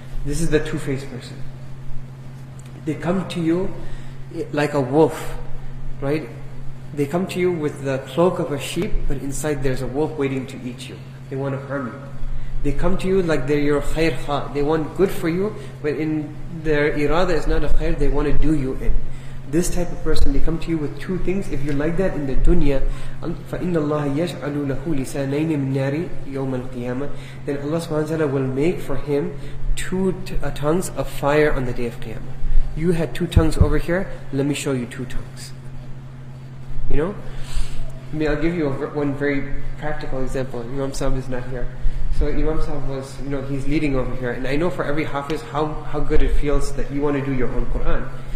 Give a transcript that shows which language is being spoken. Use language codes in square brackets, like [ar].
[en] This is the two-faced person. They come to you like a wolf, right? They come to you with the cloak of a sheep, but inside there's a wolf waiting to eat you. They want to harm you. They come to you like they're your khair kha. They want good for you, but in their irada is not a khair, they want to do you in. This type of person, they come to you with two things. If you're like that in the dunya, [ar] فَإِنَّ اللَّهَ يَشْعَلُ لَهُ لِسَانَيْنِ مِنْ نَارِ يَوْمَ الْقِيَامَةِ. [en] Then Allah subhanahu wa ta'ala will make for him two tongues of fire on the day of Qiyamah. You had two tongues over here, let me show you two tongues. You know? I'll give you one very practical example. Imam Sahib is not here. So Imam Sahib was, he's leading over here. And I know for every hafiz how good it feels that you want to do your own Qur'an.